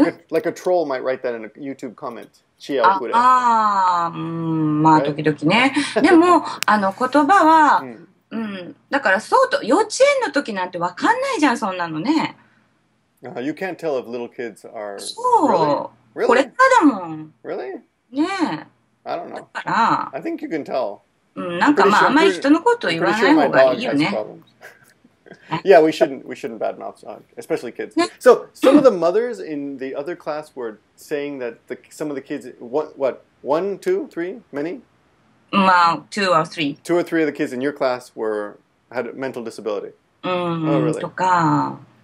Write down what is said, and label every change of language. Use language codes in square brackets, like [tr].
[en] Like a troll might write that in a YouTube comment. [ja] 知恵遅れ。まあ時々ね。でも、あの言葉は、だから相当、幼稚園の時なんて分かんないじゃん、そんなのね。 [en] You can't tell if little kids are... [ja] そう、 [en] really? [ja] これからだもん。 [en] Really? [ja] ねえ。 [en] I don't know. [ja] だから。 [en] I think you can tell. [ja] なんかまあ、あまり人のことを言わない方がいいよね。 [en] Yeah, we shouldn't badmouth dogs, especially kids. So, some of the mothers in the other class were saying that the, some of the kids... What? One, two, three? Many? Well, two or three. Two or three of the kids in your class were had a mental disability. Oh, really? [ja] とか。